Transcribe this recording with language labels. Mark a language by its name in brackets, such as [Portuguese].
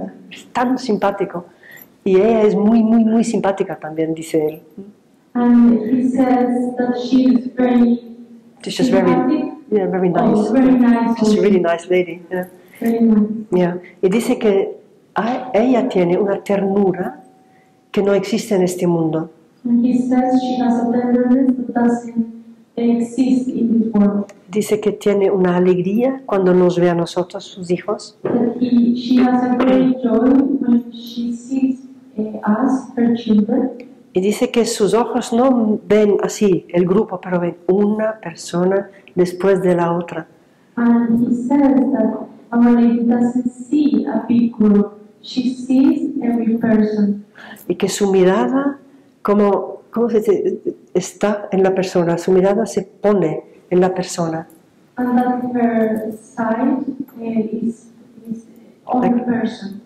[Spanish] Es tan simpático. Y ella es muy, muy, muy simpática también, dice él. [English] And he says that she is very, she's very, yeah, very nice. Oh, very nice. She's a really nice lady. Yeah. Very nice. Yeah. [Spanish] Y dice que ella tiene una ternura que no existe en este mundo. [English] And he says she has a tenderness that doesn't exist in this world. [Spanish] Dice que tiene una alegría cuando nos ve a nosotros, sus hijos. [English] That she has a great joy when she sees us, her children. [Spanish] Y dice que sus ojos no ven así el grupo, pero ven una persona después de la otra. [English] And he says that our lady doesn't see a big group, she sees every person. [Spanish] Y que su mirada, ¿cómo se dice? Está en la persona, su mirada se pone en la persona. [English] And that her sight is on the person.